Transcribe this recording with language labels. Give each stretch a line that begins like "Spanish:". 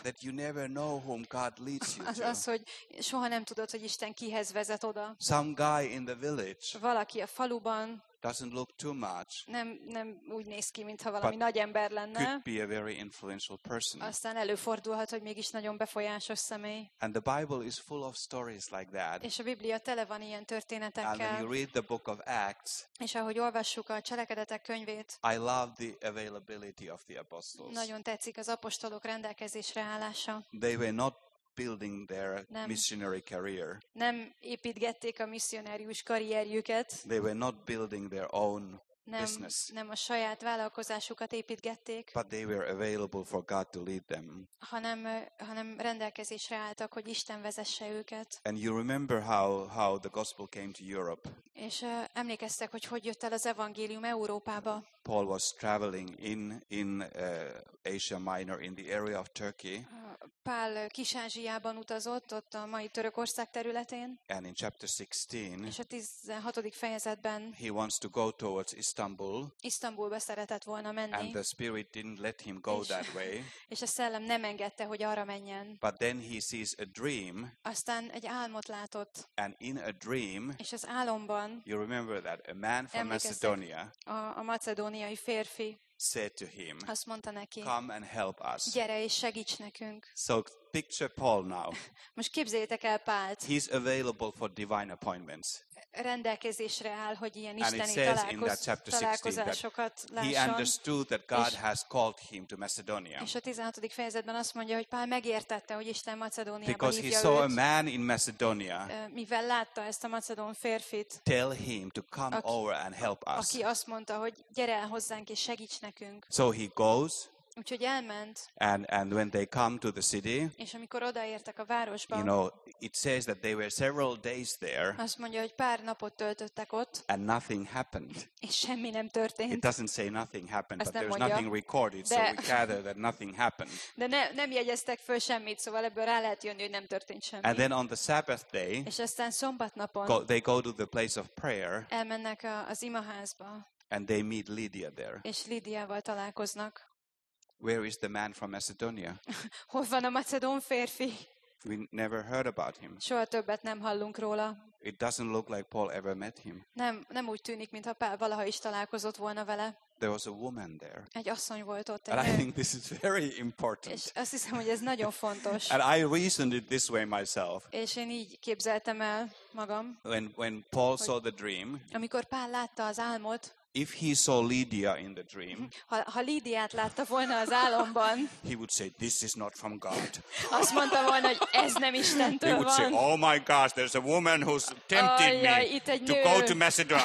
English: That you never know whom God leads you to.
Hungarian: Az, hogy soha nem tudod, hogy Isten kihez vezet oda.
English: Some guy in the village.
Hungarian: Valaki a faluban.
English: Doesn't look too much.
Hungarian: Nem úgy néz ki, mintha valami nagy ember lenne.
English: Could be a very influential person.
Hungarian: Aztán előfordulhat, hogy mégis nagyon befolyásos személy.
English: And the Bible is full of stories like that.
Hungarian: És a Biblia tele van ilyen történetekkel.
English: And when you read the book of Acts.
Hungarian: És ahogy olvassuk a Cselekedetek könyvét.
English: I love the availability of the apostles.
Hungarian: Nagyon tetszik az apostolok rendelkezésre állása.
English: They were not building their missionary career.
Hungarian: Nem építgették a misszionárius karrierjüket.
English: They were not building their own business.
Hungarian: Nem a saját vállalkozásukat építgették.
English: But they were available for God to lead them.
Hungarian: Hanem rendelkezésre álltak, hogy Isten vezesse őket.
English: And you remember how the gospel came to Europe.
Hungarian: És emlékeztek, hogy jött el az evangélium Európába.
English: Paul was traveling in Asia Minor, in the area of Turkey.
Hungarian: Pál Kis-Ázsiában utazott, ott a mai Törökország területén.
English: And in chapter 16,
Hungarian: és a 16. fejezetben
English: he wants to go towards Istanbul.
Hungarian: Istanbulba szeretett volna menni.
English: And the spirit didn't let him go that way.
Hungarian: És a szellem nem engedte, hogy arra menjen.
English: But then he sees a dream.
Hungarian: Aztán egy álmot látott.
English: And in a dream,
Hungarian: és az álomban,
English: you remember that a man from Macedonia,
Hungarian: a macedóniai férfi,
English: said to him,
Hungarian: azt mondta neki,
English: come and help us.
Hungarian: Gyere és segíts nekünk.
English: So picture Paul now.
Hungarian: Most képzeljétek el Pált.
English: He's available for divine appointments.
Hungarian: Rendelkezésre áll, hogy ilyen isteni találkozásokat lásson.
English: He understood that God has called him to Macedonia.
Hungarian: És a 16. fejezetben azt mondja, hogy Pál megértette, hogy Isten Macedóniába hívja.
English: Because he saw a man in Macedonia.
Hungarian: Mivel látta ezt a macedón férfit.
English: Tell him to come over and help us.
Hungarian: Aki azt mondta, hogy gyere el hozzánk és segíts nekünk.
English: So he goes.
Hungarian: Úgyhogy elment.
English: And when they come to the city,
Hungarian: és amikor odaértek a városba,
English: you know, it says that they were several days there,
Hungarian: azt mondja, hogy pár napot töltöttek ott,
English: and nothing happened.
Hungarian: És semmi nem történt.
English: It doesn't say nothing happened,
Hungarian: azt
English: but there's
Hungarian: mondja,
English: nothing recorded, so we gather that nothing happened.
Hungarian: De nem jegyeztek föl semmit, szóval ebből rá lehet jönni, hogy nem történt semmi.
English: And then on the Sabbath day,
Hungarian: és aztán szombatnapon,
English: they go to the place of prayer,
Hungarian: elmennek az imaházba,
English: and they meet Lydia there.
Hungarian: És Lydiával találkoznak.
English: Where is the man from Macedonia?
Hungarian: Hol van a macedón férfi?
English: We never heard about him.
Hungarian: Soha többet nem hallunk róla.
English: It doesn't look like Paul ever met him.
Hungarian: Nem úgy tűnik, mintha Pál valaha is találkozott volna vele.
English: There was a woman there.
Hungarian: Egy asszony volt ott.
English: And I think this is very important.
Hungarian: És azt hiszem, hogy ez nagyon fontos.
English: And I reasoned it this way myself.
Hungarian: És én így képzeltem el magam.
English: When Paul saw the dream.
Hungarian: Amikor Pál látta az álmot.
English: If he saw Lydia in the dream,
Hungarian: ha Lydiát látta volna az álomban,
English: he would say, "This is not from God."
Hungarian: Azt mondta volna, hogy ez nem Istentől van.
English: He would say, "Oh my gosh, there's a woman who's tempted me to go to Macedonia.